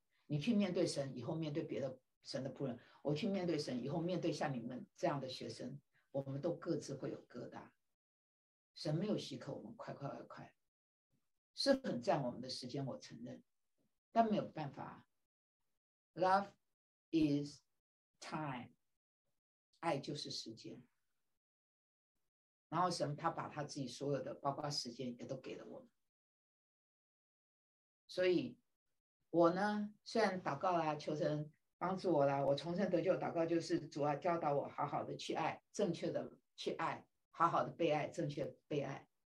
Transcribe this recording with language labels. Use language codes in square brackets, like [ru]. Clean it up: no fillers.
[zh] 你去面对神，以后面对别的神的仆人；我去面对神，以后面对像你们这样的学生，我们都各自会有疙瘩。神没有许可我们快快快快，是很占我们的时间，我承认，但没有办法。 [en] Love is time， [zh] 爱就是时间。然后神他把他自己所有的，包括时间，也都给了我们，所以。我呢，虽然祷告啦，求神帮助我啦，我重生得救祷告就是主啊，教导我好好的去爱，正确的去爱，好好的被爱，正确被爱。